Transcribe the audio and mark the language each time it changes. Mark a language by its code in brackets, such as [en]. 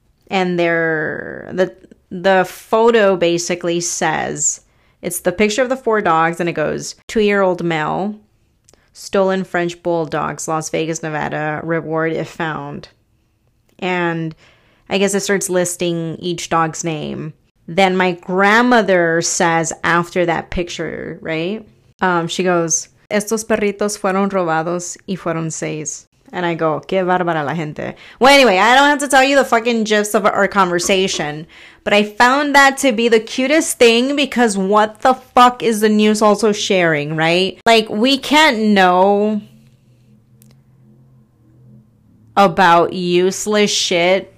[en] And the photo basically says, it's the picture of the four dogs and it goes, 2-year-old male, stolen French bulldogs, Las Vegas, Nevada, reward if found. And I guess it starts listing each dog's name. Then my grandmother says after that picture, right? She goes, [es] estos perritos fueron robados y fueron seis. [en] And I go, [es] qué bárbara la gente. [en] Well, anyway, I don't have to tell you the fucking gist of our conversation. But I found that to be the cutest thing because what the fuck is the news also sharing, right? Like, we can't know about useless shit.